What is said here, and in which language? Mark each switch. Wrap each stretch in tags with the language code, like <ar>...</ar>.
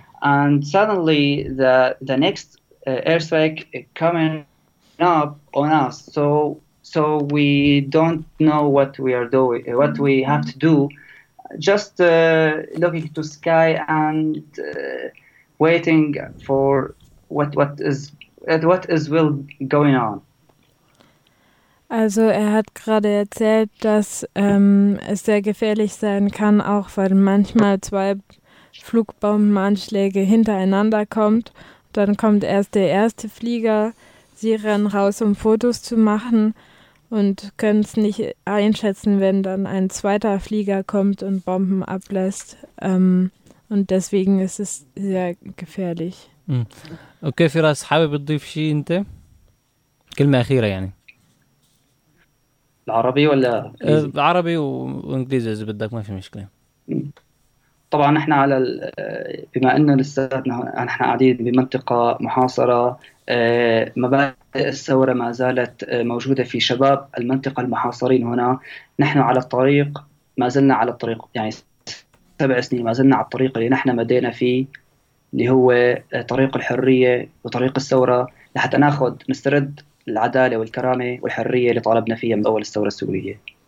<en>And suddenly the next airstrike coming up on us, so we don't know what we have to do, just looking to sky and waiting for what is will going on.</en> <de>Also er hat gerade erzählt, dass es sehr gefährlich sein kann, auch weil manchmal zwei Flugbombenanschläge hintereinander kommt. Dann kommt erst der erste Flieger, sie rennen raus, um Fotos zu machen und können es nicht einschätzen, wenn dann ein zweiter Flieger kommt und Bomben ablässt. Und deswegen ist es sehr gefährlich. Okay, für das habe ich die Verschiedenheit.</de> <ar>Kelme Achira, yani. العربي ولا عربي وانجليزي اذا بدك ما في مشكله طبعا احنا على بما انه لساتنا احنا قاعدين بمنطقه محاصره مبادئ الثوره ما زالت موجوده في شباب المنطقه المحاصرين هنا نحن على الطريق ما زلنا على الطريق يعني 7 سنين ما زلنا على الطريق اللي نحن مدينا فيه اللي هو طريق الحريه وطريق الثوره لحتى ناخذ نسترد العدالة والكرامة والحرية اللي طالبنا فيها من أول الثورة السورية.</ar>